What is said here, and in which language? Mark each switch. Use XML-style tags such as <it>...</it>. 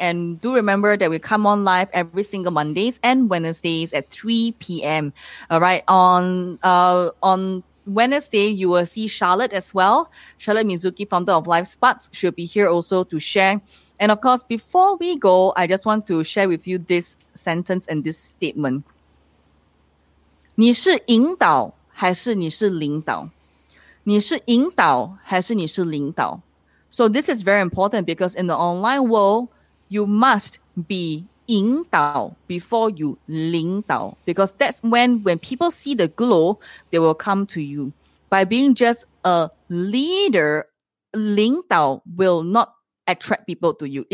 <en>And do remember that we come on live every single Mondays and Wednesdays at 3 p.m. All right. On Wednesday, you will see Charlotte as well. Charlotte Mizuki, founder of Life Sparks, should be here also to share. And of course, before we go, I just want to share with you this sentence and this statement.</en> <zh>你是引导还是你是领导？你是引导还是你是领导？</zh> <en>So this is very important because in the online world, you must be 引导 before you 领导 because that's when people see the glow, they will come to you. By being just a leader, 领导 will not attract people to you.</en>